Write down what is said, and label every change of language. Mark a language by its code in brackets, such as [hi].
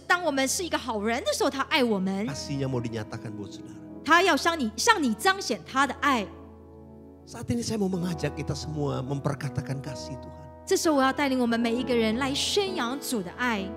[zh] 不是当我们情况好，或者是当我们是一个好人的时候，他爱我们。 [id] Kasihnya mau dinyatakan buat saudara. [zh] 他要向你彰显他的爱。 [id] Saat ini saya mau mengajak kita semua memperkatakan kasih Tuhan. [zh] 这时候我要带领我们每一个人来宣扬主的爱。